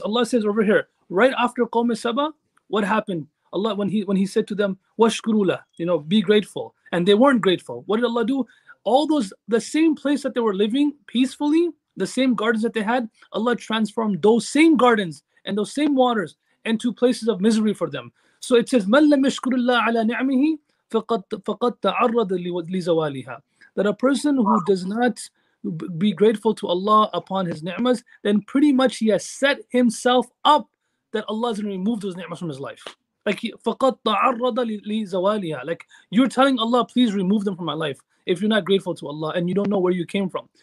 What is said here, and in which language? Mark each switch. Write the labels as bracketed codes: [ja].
[en] Allah says over here, right after Qawm Saba, what happened? Allah, when he said to them, Washkurula, be grateful. And they weren't grateful. What did Allah do? All those, the same place that they were living peacefully, the same gardens that they had, Allah transformed those same gardens and those same waters into places of misery for them. So it says, [ar] مَنْ لَمْ يَشْكُرُ اللَّهَ عَلَىٰ نِعْمِهِ فَقَدْ تَعَرَّضَ لِزَوَالِهَا. [en] That a person who does not be grateful to Allah upon his ni'mas, then pretty much he has set himself up that Allah is going to remove those ni'mas from his life. [ar] Like, فَقَدْ تَعَرَّضَ لِزَوَالِهَا. [en] Like, you're telling Allah, please remove them from my life if you're not grateful to Allah and you don't know where you came from.